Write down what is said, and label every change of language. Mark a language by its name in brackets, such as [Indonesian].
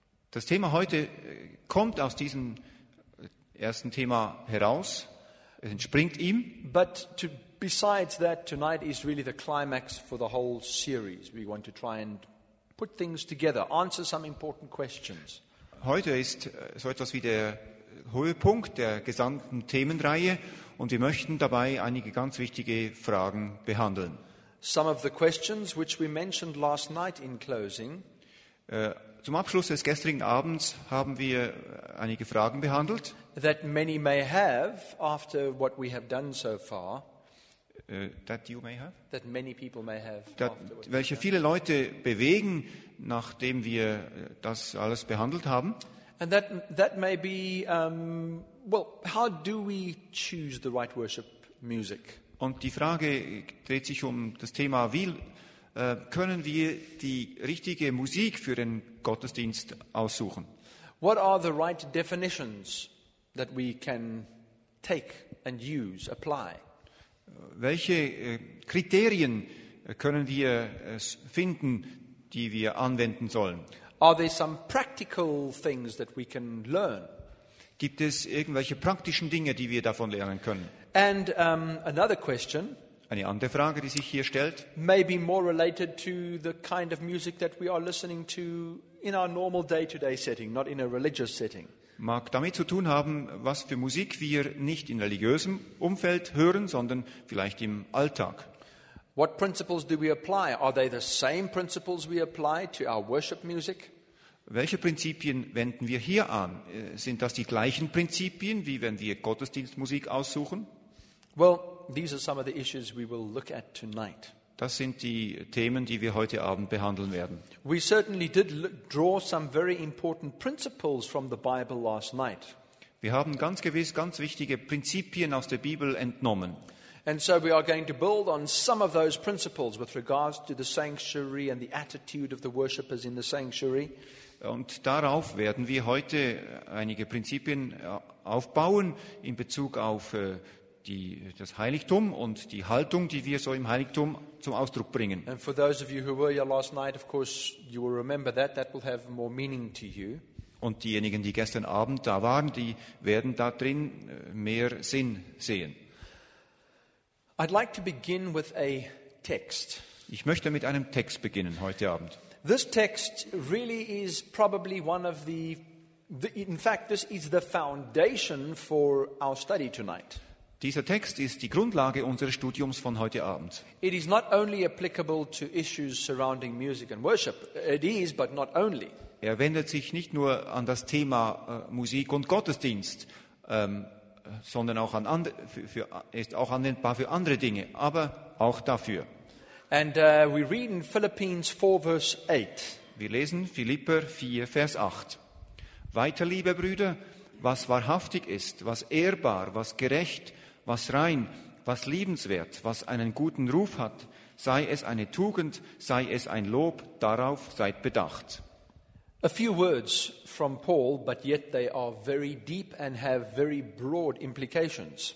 [German] Das Thema heute kommt aus diesem ersten Thema heraus, es entspringt ihm. [English] But besides that, tonight is really the climax for the whole series. We want to try and put things together, answer some important questions. [German] Heute ist so etwas wie der Höhepunkt der gesamten Themenreihe. Und wir möchten dabei einige ganz wichtige Fragen behandeln. [English] Some of the questions which we mentioned last night in closing. [German] Zum Abschluss des gestrigen Abends haben wir einige Fragen behandelt. [English] That many may have after what we have done so far. That you may have. That many people may have. [German] Welche viele Leute bewegen, nachdem wir das alles behandelt haben. [English] And that may be. Well, how do we choose the right worship music? [German] Und die Frage dreht sich um das Thema, wie können wir die richtige Musik für den Gottesdienst aussuchen? [English] What are the right definitions that we can take and use, apply? [German] Welche Kriterien können wir finden, die wir anwenden sollen? [English] Are there some practical things that we can learn? [German] Gibt es irgendwelche praktischen Dinge, die wir davon lernen können? [English] And another question. [German] Eine andere Frage, die sich hier stellt. [English] Maybe more related to the kind of music that we are listening to in our normal day-to-day setting, not in a religious setting. [German] Mag damit zu tun haben, was für Musik wir nicht in religiösem Umfeld hören, sondern vielleicht im Alltag. [English] What principles do we apply? Are they the same principles we apply to our worship music? [German] Welche Prinzipien wenden wir hier an? Sind das die gleichen Prinzipien, wie wenn wir Gottesdienstmusik aussuchen? [English] Well, these are some of the issues we will look at tonight. [German] Das sind die Themen, die wir heute Abend behandeln werden. [English] We certainly did draw some very important principles from the Bible last night. [German] Wir haben ganz gewiss ganz wichtige Prinzipien aus der Bibel entnommen. [English] And so we are going to build on some of those principles with regards to the sanctuary and the attitude of the worshippers in the sanctuary. [German] Und darauf werden wir heute einige Prinzipien aufbauen in Bezug auf das Heiligtum und die Haltung, die wir so im Heiligtum zum Ausdruck bringen. [English] And for those of you who were here last night, of course, you will remember that. That will have more meaning to you. [German] Und diejenigen, die gestern Abend da waren, die werden da drin mehr Sinn sehen. [English] I'd like to begin with a text. [German] Ich möchte mit einem Text beginnen heute Abend. [English] This text really is probably one of this is the foundation for our study tonight. [German] Dieser Text ist die Grundlage unseres Studiums von heute Abend. [English] It is not only applicable to issues surrounding music and worship. It is, but not only. [German] Er wendet sich nicht nur an das Thema Musik und Gottesdienst, sondern auch an ist auch anwendbar für andere Dinge, aber auch dafür. [English] And we read in Philippians 4, verse 8. [German] Wir lesen Philipper 4, Vers 8. Weiter, liebe Brüder, was wahrhaftig ist, was ehrbar, was gerecht, was rein, was liebenswert, was einen guten Ruf hat, Sei es eine Tugend, sei es ein Lob, darauf seid bedacht. [English] A few words from Paul, but yet they are very deep and have very broad implications.